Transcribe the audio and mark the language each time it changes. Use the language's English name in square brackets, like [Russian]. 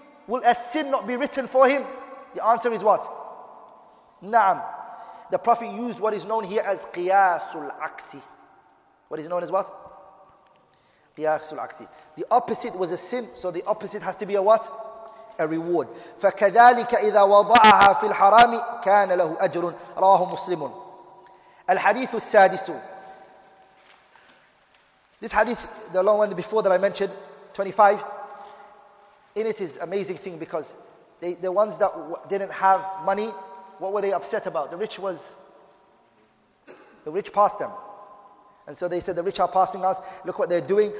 [English] Will a sin not be written for him? The answer is what? نعم. The Prophet used what is known here as قِيَاسُ الْعَكْسِ What is known as what? قِيَاسُ الْعَكْسِ The opposite was a sin, so the opposite has to be a what? A reward. [Arabic] فكذلك إذا وضعها في الحرام كان له أجر رواه مسلم. الحديث السادس. [English] This hadith, the long one before that I mentioned, 25. In it is amazing thing because the ones that didn't have money, what were they upset about? The rich passed them, and so they said, the rich are passing us. Look what they're doing.